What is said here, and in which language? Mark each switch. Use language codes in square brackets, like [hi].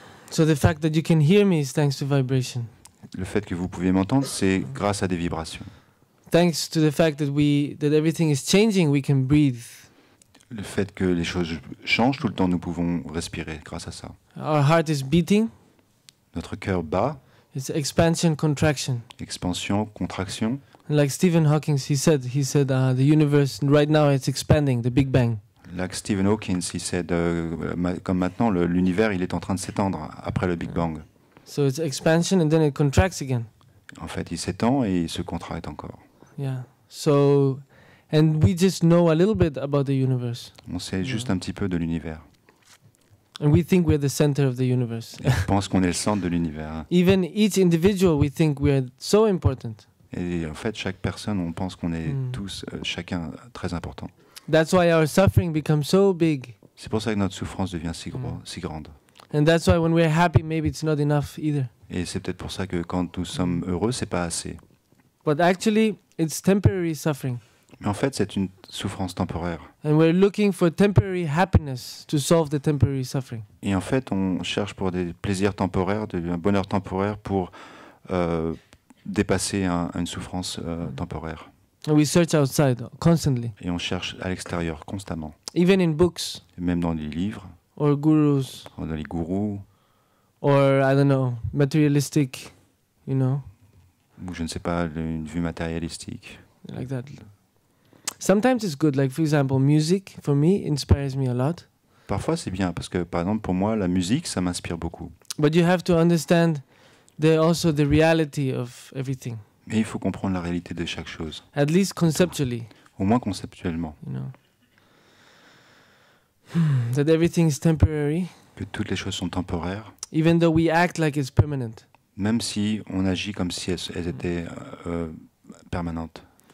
[en] So the fact that you can hear me is thanks to vibration. [fr] Le fait que vous pouvez m'entendre, c'est grâce à des vibrations. [en] Thanks to the fact that that everything is changing, we can breathe. [fr] Le fait que les choses changent tout le temps, nous pouvons respirer grâce à ça. [en] Our heart is beating. [fr] Notre cœur bat. [en] It's expansion, contraction. [fr] Expansion, contraction. [en] And like Stephen Hawking, he said, the universe right now it's expanding, the Big Bang. Like Stephen Hawking, he said, [fr] comme maintenant, l'univers il est en train de s'étendre après le Big Bang. [en] So it's expansion and then it contracts again. [fr] En fait, il s'étend et il se contracte encore. [en] Yeah. So, and we just know a little bit about the universe. [fr] On sait juste un petit peu de l'univers. [en] And we think we're the center of the universe. [fr] Et on pense qu'on est le centre de l'univers. [en] Even each individual, we think we are so important. [fr] Et en fait, chaque personne, on pense qu'on est tous, chacun, très important. [en] That's why our suffering becomes so big. [fr] C'est pour ça que notre souffrance devient si grande. [en] And that's why when we're happy, maybe it's not enough either. [fr] Et c'est peut-être pour ça que quand nous sommes heureux, c'est pas assez. [en] But actually, it's temporary suffering. [fr] Mais en fait, c'est une souffrance temporaire. [en] And we're looking for temporary happiness to solve the temporary suffering. [fr] Et en fait, on cherche pour des plaisirs temporaires, un bonheur temporaire pour dépasser une souffrance temporaire. [en] And we search outside constantly. [fr] Et on cherche à l'extérieur constamment. [en] Even in books. [fr] Et même dans les livres. [en] Or gurus. [fr] Ou dans les gourous. [en] Or I don't know, materialistic, you know. [fr] Ou je ne sais pas, une vue matérialistique. [en] Like that. Sometimes it's good. Like for example, music for me inspires me a lot. [fr] Parfois c'est bien parce que par exemple pour moi la musique ça m'inspire beaucoup. [en] But you have to understand the also the reality of everything. [fr] Mais il faut comprendre la réalité de chaque chose. [en] At least conceptually. [fr] Au moins conceptuellement. [en] You know. That everything is temporary. [fr] Que toutes les choses sont temporaires. [en] Even though we act like it's permanent. [fr] Même si on agit comme si elles étaient permanentes.